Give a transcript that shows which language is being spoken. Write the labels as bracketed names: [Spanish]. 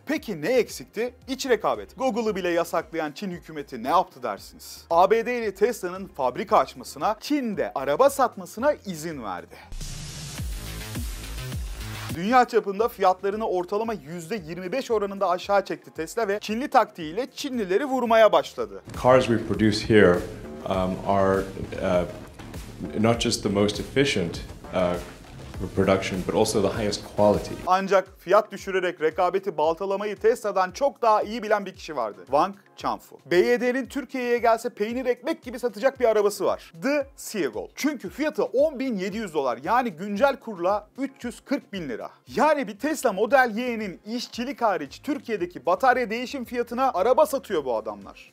[Turkish] Peki ne eksikti? İç rekabet. Google'ı bile yasaklayan Çin hükümeti ne yaptı dersiniz? ABD'li Tesla'nın fabrika açmasına, Çin'de araba satmasına izin verdi. Dünya çapında fiyatlarını ortalama %25 oranında aşağı çekti Tesla ve Çinli taktiğiyle Çinlileri vurmaya başladı. [English] Cars we produce here are not just the most efficient production but also the highest quality. [Turkish] Ancak fiyat düşürerek rekabeti baltalamayı Tesla'dan çok daha iyi bilen bir kişi vardı. Wang Chanfu. BYD'nin Türkiye'ye gelse peynir ekmek gibi satacak bir arabası var. The Seagull. Çünkü fiyatı 10.700 dolar yani güncel kurla 340 bin lira. Yani bir Tesla Model Y'nin işçilik hariç Türkiye'deki batarya değişim fiyatına araba satıyor bu adamlar.